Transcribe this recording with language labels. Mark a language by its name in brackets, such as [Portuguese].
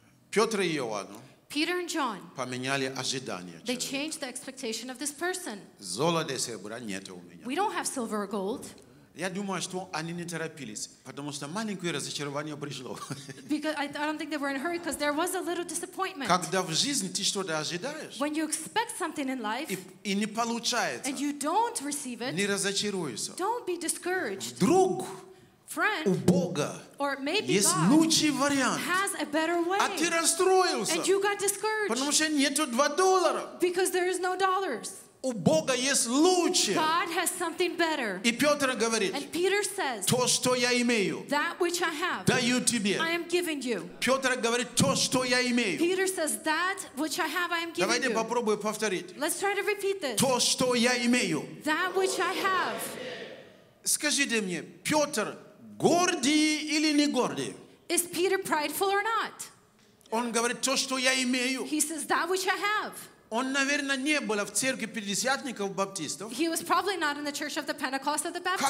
[Russian] Петр и Иоанн. [English] Peter and John, [Russian] поменяли ожидания. [English] They changed the expectation of this person. [Russian] Золота и серебра нет у меня. [English] We don't have silver or gold. [Russian] Я думаю, что они не торопились, потому что маленькое разочарование пришло. [English] Because I don't think they were in a hurry because there was a little disappointment. [Russian] Когда в жизни ты что-то ожидаешь, [English] when you expect something in life, [Russian] и не получается, [English] and you don't receive it, [Russian] не разочаруйся. [English] Don't be discouraged. [Russian] Друг. [English] Friend, [Russian] у Бога [English] or maybe [Russian] есть [English] God [Russian] лучший вариант. [English] Has a better way. [Russian] А ты расстроился. [English] And you got discouraged. [Russian] Потому что нету $2. [English] Because there is no dollars. [Russian] У Бога есть лучшее. [English] God has something better. [Russian] И Петр говорит, [English] And Peter says, [Russian] то, что я имею, [English] that which I have, [Russian] даю тебе. [English] I am giving you. [Russian] Петр говорит, то, что я имею. [English] Peter says, that which I have, I am giving [Russian] Давайте [English] you. [Russian] Давайте попробуем повторить. [English] Let's try to repeat this. [Russian] То, что я имею. [English] That which I have. [Russian] Скажите мне, Петр, горди или не горди? [English] Is Peter prideful or not? [Russian] Он говорит то, что я имею. [English] He says that which I have. [Russian] Он, наверное, не был в церкви пятидесятников баптистов. [English] He was probably not in the church of the Pentecost of the Baptists.